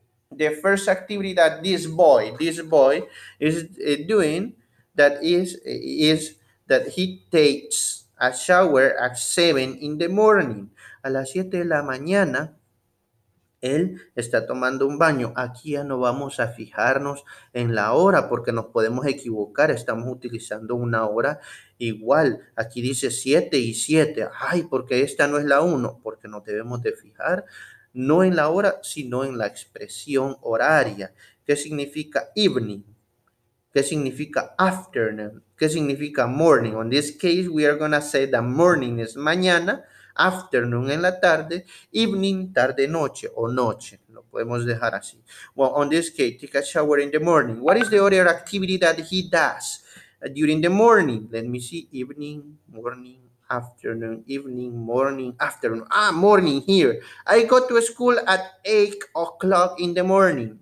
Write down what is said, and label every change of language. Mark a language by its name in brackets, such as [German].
[English] The first activity that this boy is doing, that is that he takes a shower at 7 in the morning. [Spanish] A las 7 de la mañana, él está tomando un baño. Aquí ya no vamos a fijarnos en la hora porque nos podemos equivocar. Estamos utilizando una hora igual. Aquí dice 7 y 7. Ay, ¿por qué esta no es la 1? Porque nos debemos de fijar no en la hora, sino en la expresión horaria. ¿Qué significa evening? ¿Qué significa afternoon? ¿Qué significa morning? [English] In this case, we are gonna say that morning is mañana. [Spanish] Afternoon en la tarde, evening tarde noche o noche, lo podemos dejar así. [English] Well, on this case, take a shower in the morning. What is the other activity that he does during the morning? Let me see. Evening, morning, afternoon, evening, morning, afternoon. Ah, morning here. I go to school at 8 o'clock in the morning.